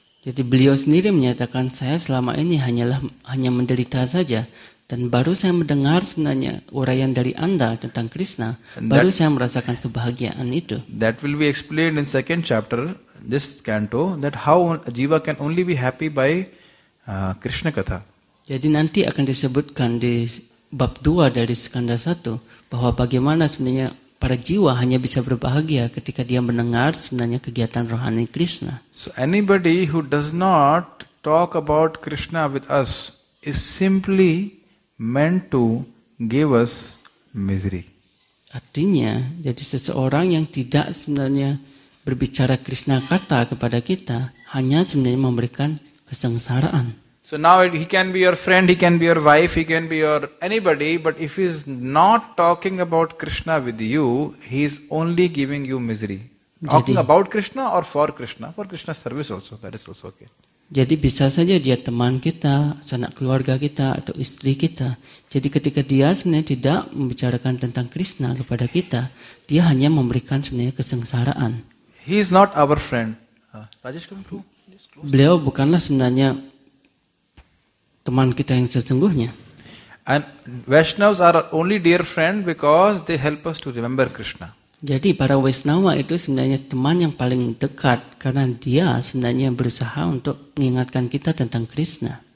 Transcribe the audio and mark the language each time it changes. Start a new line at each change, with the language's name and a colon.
Indonesian: Jadi beliau sendiri menyatakan saya selama ini hanya menderita saja. Dan baru saya mendengar sebenarnya uraian dari Anda tentang Krishna, baru saya merasakan kebahagiaan itu.
English: That will be explained in second chapter, this canto, that how jiva can only be happy by Krishna Katha.
Indonesian: Jadi nanti akan disebutkan di bab 2 dari skanda 1, bahwa bagaimana sebenarnya para jiwa hanya bisa berbahagia ketika dia mendengar sebenarnya kegiatan rohani Krishna.
English: So anybody who does not talk about Krishna with us is simply meant to give us misery.
Indonesian: Artinya, jadi seseorang yang tidak sebenarnya berbicara Krishna kata kepada kita hanya sebenarnya memberikan kesengsaraan.
English: So now he can be your friend, he can be your wife, he can be your anybody, but if he's not talking about Krishna with you, he is only giving you misery. Talking about Krishna or for Krishna? For Krishna's service also, that is also okay.
Indonesian: Jadi bisa saja dia teman kita, sanak keluarga kita, atau istri kita. Jadi ketika dia sebenarnya tidak membicarakan tentang Krishna kepada kita, dia hanya memberikan sebenarnya kesengsaraan.
English: He is not our friend. Rajesh, come through.
Indonesian: Beliau bukanlah sebenarnya teman kita yang sesungguhnya.
English: And Vaishnavas are only dear friend because they help us to remember Krishna.
Indonesian: Jadi para Vaishnava itu sebenarnya teman yang paling dekat karena dia sebenarnya berusaha untuk mengingatkan kita tentang Krishna.